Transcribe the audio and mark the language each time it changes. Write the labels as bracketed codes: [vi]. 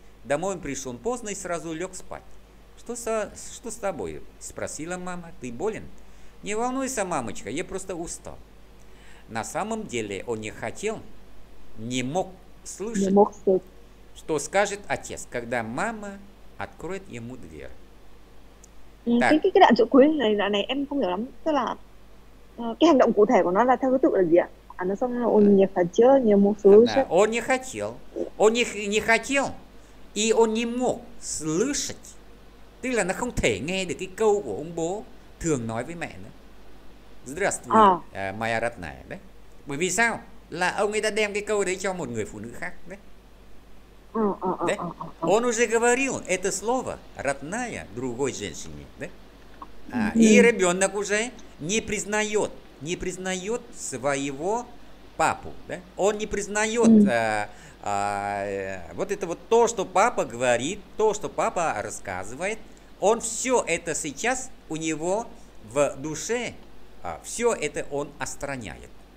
[ru] Домой он пришел поздно и сразу лег спать. Что с тобой? Спросила мама. Ты болен? Не волнуйся, мамочка, я просто устал. На самом деле он не хотел, не мог слышать, что скажет отец, когда мама откроет ему дверь. [vi] Cái đoạn chỗ cuối này em không hiểu lắm, tức là Cái hành động cụ thể của nó là theo thứ tự là gì ạ? À, nó xong là [ru] он не хотел, не мог Она, слушать. он не хотел, он не хотел, и он не мог слышать. [vi] Tức là nó không thể nghe được cái câu của ông bố thường nói với mẹ nữa. [ru] Здравствуй, моя родная. [vi] Đấy. Bởi vì sao? Là ông ấy đã đem cái câu đấy cho một người phụ nữ khác. Đấy. Đấy. [ru] Он уже говорил это слово, родная, другой женщине. [vi] Đấy. [ru] А, и ребенок уже не признает своего папу. Đấy. Он не признает... вот это вот то, что папа говорит, то, что папа рассказывает, он все это сейчас у него в душе, все это он отстраняет.